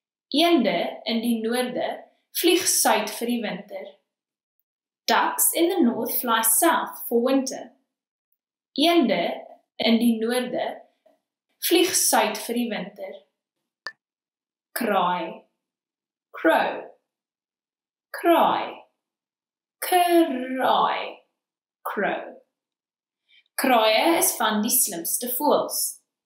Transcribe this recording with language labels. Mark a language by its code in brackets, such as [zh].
[af] Eende in die noorde vlieg suid vir die winter. [en] Ducks in the north fly south for winter. [af] Eende in die noorde vlieg suid vir die winter. Kraai. [en] Crow. [af] Kraai. Kraai. [en] Crow. [af] Kraaie is van die slimste voëls.